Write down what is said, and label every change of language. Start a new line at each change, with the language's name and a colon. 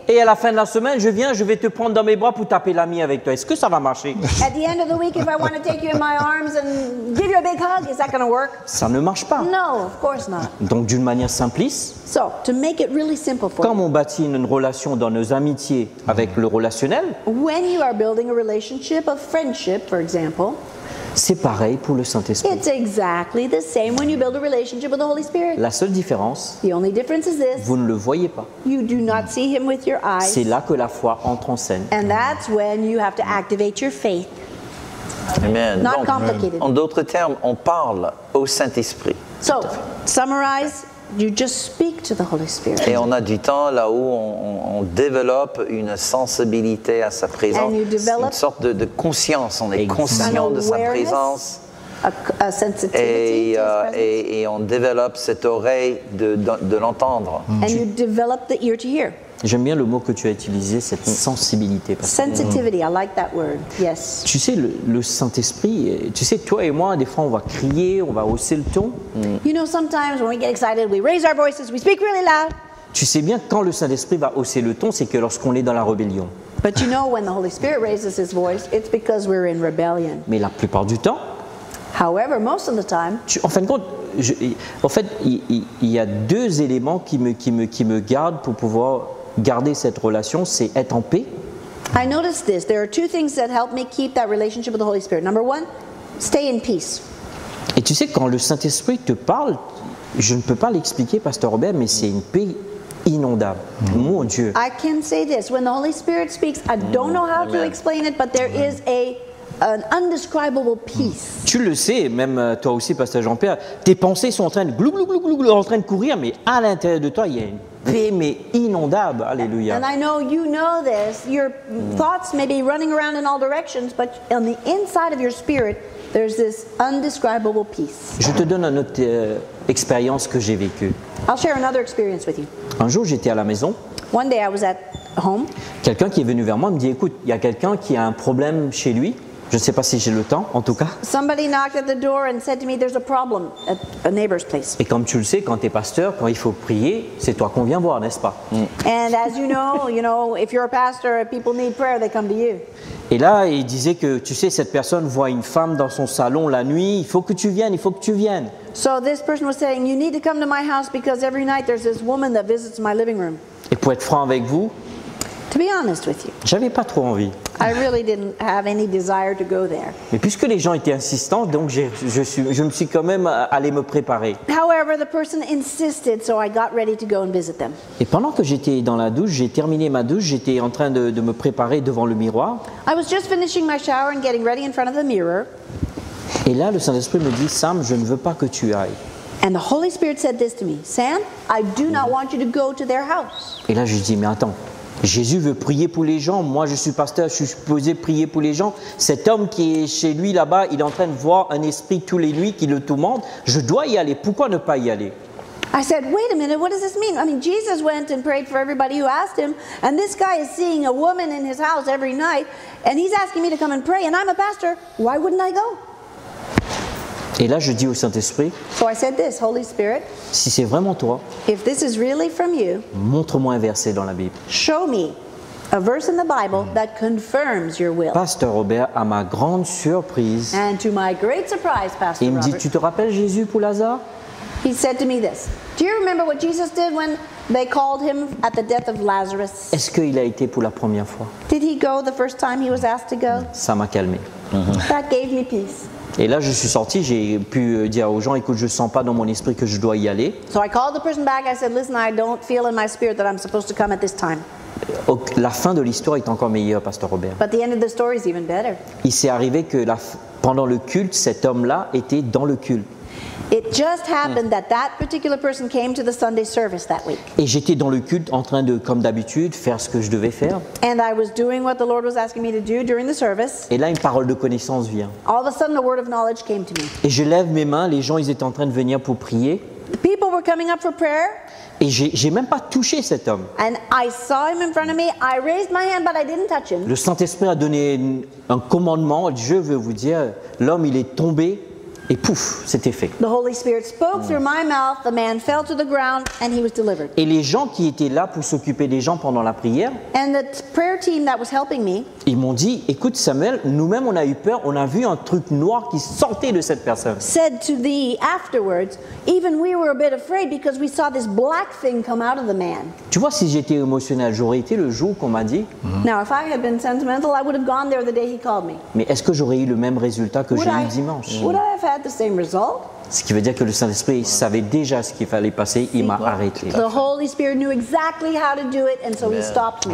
French: Et à la fin de la semaine, je viens, je vais te prendre dans mes bras pour taper l'ami avec toi. Est-ce que ça va marcher?
English: At the end of the week, if I want to take you in my arms and give you a big hug, is that going to work?
French: Ça ne marche pas.
English: No, of course not.
French: Donc, d'une manière simpliste.
English: So, to make it really simple for
French: quand on bâtit une relation dans nos amitiés avec le relationnel,
English: when you are building a relationship of friendship, for example,
French: c'est pareil pour le Saint-Esprit.
English: It's exactly the same when you build a relationship with the Holy Spirit.
French: La seule différence,
English: the only difference is this,
French: vous ne le voyez pas.
English: You do not see him with your eyes.
French: C'est là que la foi entre en scène.
English: And that's when you have to activate your faith. Amen. Not donc, complicated.
French: En d'autres termes, on parle au Saint-Esprit.
English: So, summarize, you just speak to the Holy Spirit.
French: Et on a du temps là où on développe une sensibilité à sa présence.
English: And you develop
French: une sorte de conscience, on est conscient de sa présence.
English: A sensitivity to his presence.
French: Et on développe cette oreille de l'entendre.
English: And you develop the ear to hear.
French: J'aime bien le mot que tu as utilisé, cette sensibilité.
English: Sensitivity, I like that word, yes.
French: Tu sais, le Saint-Esprit, tu sais, toi et moi, des fois, on va crier, on va hausser le ton.
English: You know, sometimes when we get excited, we raise our voices, we speak really loud.
French: Tu sais bien, quand le Saint-Esprit va hausser le ton, c'est que lorsqu'on est dans la rébellion.
English: But you know, when the Holy Spirit raises his voice, it's because we're in rebellion.
French: Mais la plupart du temps,
English: however, most of the time,
French: en fin de compte, en fait, il y a deux éléments qui me gardent pour pouvoir garder cette relation, c'est être en paix.
English: I noticed this. There are two things that help me keep that relationship with the Holy Spirit. Number one, stay in peace.
French: Et tu sais, quand le Saint-Esprit te parle, je ne peux pas l'expliquer, Pasteur Robert, mais c'est une paix inondable. Mon Dieu.
English: I can say this. When the Holy Spirit speaks, I don't know how to explain it, but there is an indescribable peace.
French: Tu le sais, même toi aussi, Pasteur Jean-Pierre, tes pensées sont en train de glou glou glou glou glou, en train de courir, mais à l'intérieur de toi, il y a une paix mais inondable. Alléluia.
English: And I know you know this. Your thoughts may be running around in all directions, but on the inside of your spirit, there's this indescribable peace.
French: Je te donne une autre expérience que j'ai vécue.
English: I'll share another experience with you.
French: Un jour, j'étais à la maison.
English: One day, I was at home.
French: Quelqu'un qui est venu vers moi me dit, écoute, il y a quelqu'un qui a un problème chez lui. Je ne sais pas si j'ai le temps, en tout cas.
English: Somebody knocked at the door and said to me, there's a problem at a neighbor's place.
French: Et comme tu le sais, quand tu es pasteur, quand il faut prier, c'est toi qu'on vient voir, n'est-ce pas?
English: And as you know, if you're a pastor, if people need prayer, they come to you.
French: Et là, il disait que, tu sais, cette personne voit une femme dans son salon la nuit, il faut que tu viennes.
English: So this person was saying, you need to come to my house because every night there's this woman that visits my living room.
French: Et pour être franc avec vous,
English: to be honest with you,
French: j'avais pas trop envie.
English: I really didn't have any desire to go there.
French: Mais puisque les gens étaient insistants, donc je me suis quand même allé me préparer.
English: However, the person insisted, so I got ready to go and visit them.
French: Et pendant que j'étais dans la douche, j'ai terminé ma douche, j'étais en train de me préparer devant le miroir.
English: I was just finishing my shower and getting ready in front of the mirror.
French: Et là, le Saint-Esprit me dit, Sam, je ne veux pas que tu ailles.
English: And the Holy Spirit said this to me, Sam, I do not want you to go to their house.
French: Et là, je dis, mais attends. Jésus veut prier pour les gens. Moi, je suis pasteur, je suis supposé prier pour les gens. Cet homme qui est chez lui là-bas, il est en train de voir un esprit tous les nuits qui le tourmente. Je dois y aller. Pourquoi ne pas y aller?
English: I said, wait a minute, what does this mean? I mean, Jesus went and prayed for everybody who asked him, and this guy is seeing a woman in his house every night, and he's asking me to come and pray, and I'm a pastor. Why wouldn't I go?
French: Et là, je dis au Saint-Esprit,
English: so I said this, Holy Spirit,
French: si c'est vraiment toi,
English: if this is really from you,
French: montre-moi un verset dans la Bible.
English: Show me a verse in the Bible that confirms your will.
French: Pasteur Robert, à ma grande surprise,
English: and to my great surprise, Pastor
French: il me dit,
English: Robert,
French: tu te rappelles Jésus pour Lazare?
English: He said to me this, do you remember what Jesus did when they called him at the death of Lazarus?
French: Est-ce qu'il a été pour la première fois?
English: Did he go the first time he was asked to go?
French: Ça m'a calmé.
English: That gave me peace.
French: Et là, je suis sorti, j'ai pu dire aux gens, écoute, je ne sens pas dans mon esprit que je dois y aller.
English: So I called the person back, I said, listen, I don't feel in my spirit that I'm supposed to come at this time.
French: La fin de l'histoire est encore meilleure, Pasteur Robert.
English: But the end of the story is even better.
French: Il s'est arrivé que pendant le culte, cet homme-là était dans le culte.
English: It just happened that particular person came to the Sunday service that week.
French: Et j'étais dans le culte en train de, comme d'habitude, faire ce que je devais faire.
English: And I was doing what the Lord was asking me to do during the service.
French: Et là, une parole de connaissance vient.
English: All of a sudden, a word of knowledge came to me.
French: Et je lève mes mains, les gens, ils étaient en train de venir pour prier.
English: People were coming up for prayer.
French: Et j'ai même pas touché cet homme.
English: And I saw him in front of me. I raised my hand, but I didn't touch him.
French: Le Saint-Esprit a donné un commandement. Je veux vous dire, l'homme il est tombé et pouf, c'était fait.
English: The Holy Spirit spoke through my mouth. The man fell to the ground and he was delivered.
French: Et les gens qui étaient là pour s'occuper des gens pendant la prière.
English: And the prayer team that was helping me.
French: Ils m'ont dit, écoute Samuel, nous-mêmes on a eu peur. On a vu un truc noir qui sortait de cette personne.
English: Said to the afterwards, even we were a bit afraid because we saw this black thing come out of the man.
French: Tu vois, si j'étais émotionnel, j'aurais été le jour qu'on m'a dit.
English: Now, if I had been sentimental, I would have gone there the day he called me.
French: Mais est-ce que j'aurais eu le même résultat que j'ai eu dimanche?
English: Would I have had the same result?
French: Ce qui veut dire que le Saint-Esprit savait déjà ce qu'il fallait passer. Il m'a arrêté.
English: The Holy Spirit knew exactly how to do it, and so he stopped me.